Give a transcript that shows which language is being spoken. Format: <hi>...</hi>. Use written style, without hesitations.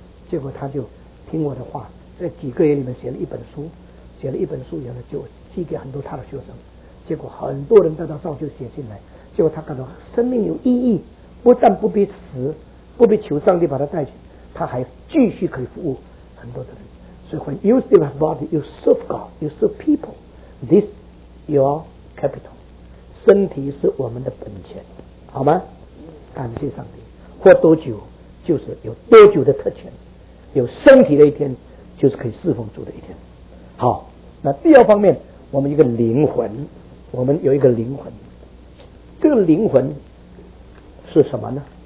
<zh>结果他就听我的话，在几个月里面写了一本书，然后就寄给很多他的学生，结果很多人得到造就写进来，结果他感到生命有意义，不但不必死，不必求上帝把他带去，他还继续可以服务很多的人。所以</zh> <en>when you still have body, you serve God, you serve people, this your capital,</en> <zh>身体是我们的本钱，好吗？感谢上帝，活多久就是有多久的特权，有身体的一天就是可以侍奉主的一天。好，那第二方面，我们一个灵魂，我们有一个灵魂，这个灵魂是什么呢？</zh>